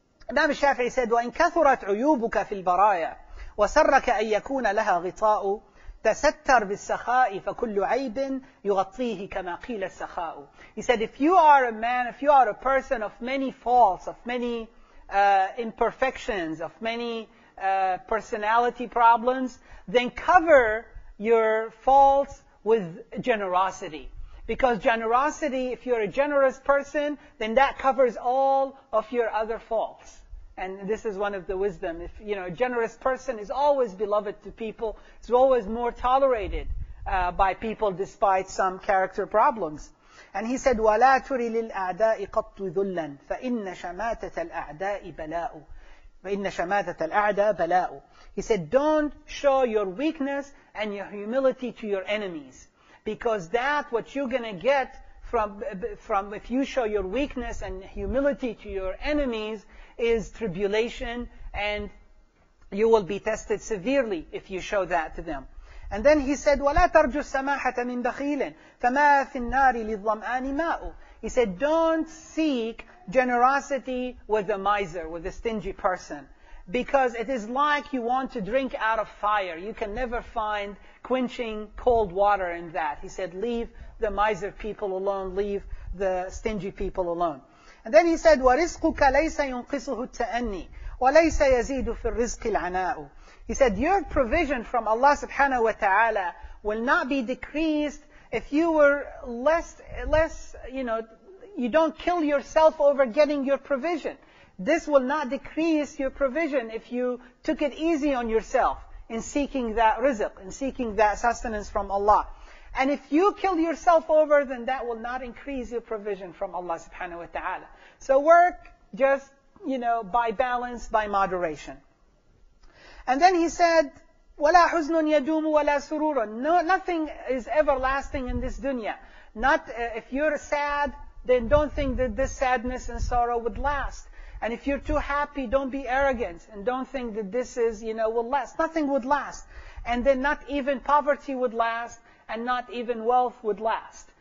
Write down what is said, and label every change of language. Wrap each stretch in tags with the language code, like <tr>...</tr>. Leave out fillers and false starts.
<en>Imam al-Shafi'i said,</en> <ar>وَإِنْ كَثُرَتْ عُيُوبُكَ فِي الْبَرَايَا وَسَرَّكَ أَنْ يَكُونَ لَهَا غِطَاءُ تَسَتَّرْ بِالسَّخَاءِ فَكُلُّ عَيْبٍ يُغَطِّيهِ كَمَا قِيلَ السَّخَاءُ.</ar> <en>He said, if you are a man, if you are a person of many faults, of many imperfections, of many personality problems, then cover your faults with generosity. Because generosity, if you're a generous person, then that covers all of your other faults. And this is one of the wisdom. If, you know, a generous person is always beloved to people, it's always more tolerated by people despite some character problems. And he said,</en> <ar>وَلَا تُرِ لِلْأَعْدَاءِ قَطُّ ذُلًّا فَإِنَّ شَمَاتَةَ الْأَعْدَاءِ بَلَاءُ فَإِنَّ شَمَاتَةَ الْأَعْدَاءِ بَلَاءُ.</ar> <en>He said, don't show your weakness and your humility to your enemies. Because that, what you're going to get from if you show your weakness and humility to your enemies, is tribulation, and you will be tested severely if you show that to them. And then he said,</en> <ar>وَلَا تَرْجُ السَّمَاحَةَ مِنْ بَخِيلٍ فَمَا فِي النَّارِ لِلظَّمْآنِ مَاءُ.</ar> <en>He said, don't seek generosity with a miser, with a stingy person. Because it is like you want to drink out of fire. You can never find quenching cold water in that. He said, leave the miser people alone. Leave the stingy people alone. And then he said,</en> <ar>وَرِزْقُكَ لَيْسَ يُنْقِصُهُ التَّأَنِّي وَلَيْسَ يَزِيدُ فِي الرِّزْقِ الْعَنَاءُ.</ar> <en>He said, your provision from Allah subhanahu wa ta'ala will not be decreased if you were less, you know, you don't kill yourself over getting your provision. This will not decrease your provision if you took it easy on yourself in seeking that rizq, in seeking that sustenance from Allah. And if you kill yourself over, then that will not increase your provision from Allah subhanahu wa ta'ala. So work just, you know, by balance, by moderation. And then he said,</en> <ar>وَلَا حُزْنٌ يَدُومُ وَلَا سُرُورٌ.</ar> <en>No, nothing is everlasting in this dunya. If you're sad, then don't think that this sadness and sorrow would last. And if you're too happy, don't be arrogant and don't think that this is, you know, will last. Nothing would last. And then not even poverty would last and not even wealth would last.</en>